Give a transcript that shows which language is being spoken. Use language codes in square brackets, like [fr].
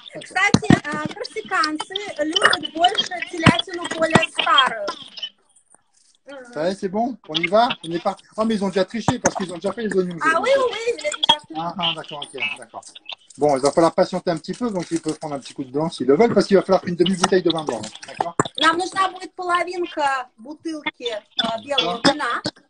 [ru] Кстати, корсиканцы любят больше телятину более старую. [fr] Ça y est, c'est bon, on y va, on est parti. Oh, mais ils ont déjà triché parce qu'ils ont déjà fait les oignons. Ah oui, oui, oui, ils ont déjà fait. D'accord, ok, d'accord. Bon, il va falloir patienter un petit peu, donc ils peuvent prendre un petit coup de blanc s'ils le veulent, parce qu'il va falloir une demi-bouteille de vin blanc. D'accord. [ru] Нам нужна будет половинка бутылки белого вина.